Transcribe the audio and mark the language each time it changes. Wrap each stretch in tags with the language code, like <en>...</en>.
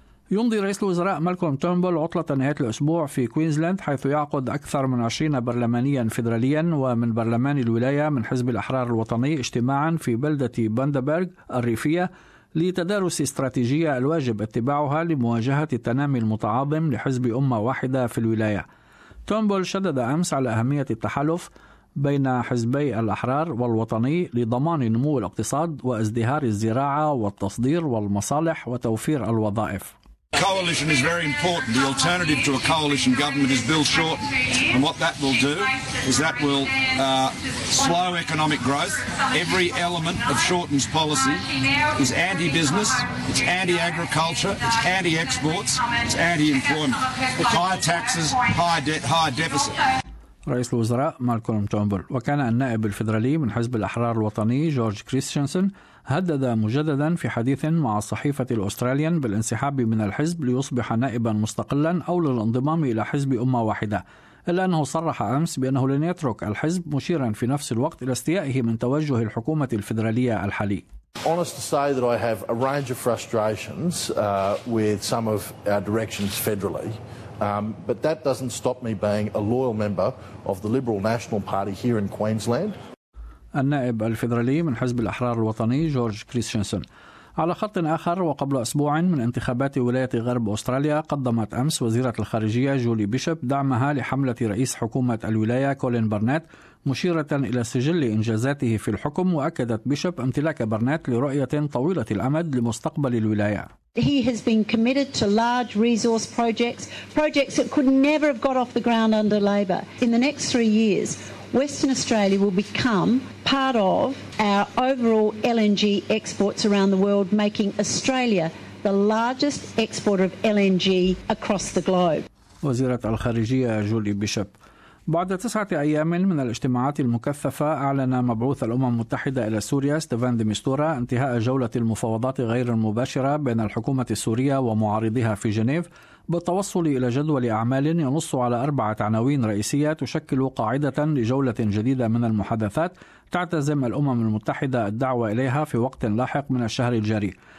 <ar>يمضي رئيس الوزراء مالكولم تومبول عطلة نهاية الأسبوع في كوينزلاند، حيث يعقد أكثر من 20 برلمانيا فيدراليا ومن برلمان الولاية من حزب الأحرار الوطني اجتماعا في بلدة باندبرغ الريفية لتدارس استراتيجية الواجب اتباعها لمواجهة التنامي المتعاظم لحزب أمة واحدة في الولاية. تومبول شدد أمس على أهمية التحالف بين حزبي الأحرار والوطني لضمان نمو الاقتصاد وازدهار الزراعة والتصدير والمصالح وتوفير الوظائف.</ar> <en>Coalition is very important. The alternative to a coalition government is Bill Shorten. And what that will do is that will slow economic growth. Every element of Shorten's policy is anti-business, it's anti-agriculture, it's anti-exports, it's anti-employment. It's higher taxes, higher debt, higher deficit.</en> <ar>رئيس الوزراء مالكولم تومبول. وكان النائب الفيدرالي من حزب الأحرار الوطني جورج كريستيانسون هدد مجددا في حديث مع الصحيفة الأستراليان بالانسحاب من الحزب ليصبح نائبا مستقلا أو للانضمام إلى حزب أمة واحدة، إلا أنه صرح أمس بأنه لن يترك الحزب، مشيرا في نفس الوقت إلى استيائه من توجه الحكومة الفيدرالية الحالي.</ar> <en>Honest to say that I have a range of frustrations with some of our directions federally. But that doesn't stop me being a loyal member of the Liberal National Party here in Queensland.</en> <ar>النائب الفيدرالي من حزب الأحرار الوطني جورج كريستيانسون. على خط آخر، وقبل أسبوع من انتخابات ولاية غرب أستراليا، قدمت أمس وزيرة الخارجية جولي بيشوب دعمها لحملة رئيس حكومة الولاية كولين برنات، مشيرة إلى سجل إنجازاته في الحكم، وأكدت بيشوب امتلاك برنات لرؤية طويلة الأمد لمستقبل الولاية.</ar> <en>He has been committed to large resource projects, projects that could never have got off the ground under Labor. In the next 3 years, Western Australia will become part of our overall LNG exports around the world, making Australia the largest exporter of LNG across the globe.</en> <ar>وزيرة الخارجية جولي بيشوب. بعد 9 أيام من الاجتماعات المكثفة، أعلن مبعوث الأمم المتحدة إلى سوريا ستيفان دي ميستورا انتهاء جولة المفاوضات غير المباشرة بين الحكومة السورية ومعارضيها في جنيف بالتوصل إلى جدول أعمال ينص على 4 عناوين رئيسية تشكل قاعدة لجولة جديدة من المحادثات تعتزم الأمم المتحدة الدعوة إليها في وقت لاحق من الشهر الجاري.</ar>